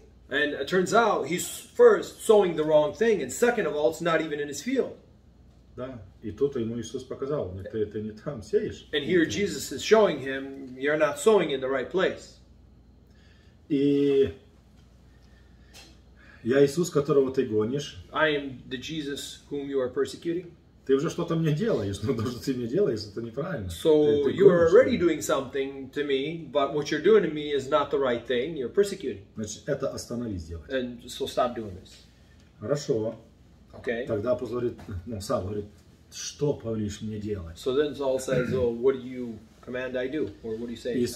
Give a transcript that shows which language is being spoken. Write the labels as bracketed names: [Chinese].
[English] And it turns out he's first sowing the wrong thing, and second of all, it's not even in his field. [Russian] Да, и тут ему Иисус показал, ты не там сеешь. [English] And here Jesus is showing him, you're not sowing in the right place. [Russian] И я Иисус, которого ты гонишь. [English] I am the Jesus whom you are persecuting. [Russian] Ты уже что-то мне делаешь, но даже ты мне делаешь, это неправильно. [English] So you are already doing something to me, but what you're doing to me is not the right thing. You're persecuting. [Russian] Значит, это остановись делать. [English] And so stop doing this. [Russian] Хорошо. [English] Okay. [Russian] Тогда Павел говорит, Савл говорит, что повелишь мне делать? [English] So then Saul says, oh, what do you command I do, or what do you say?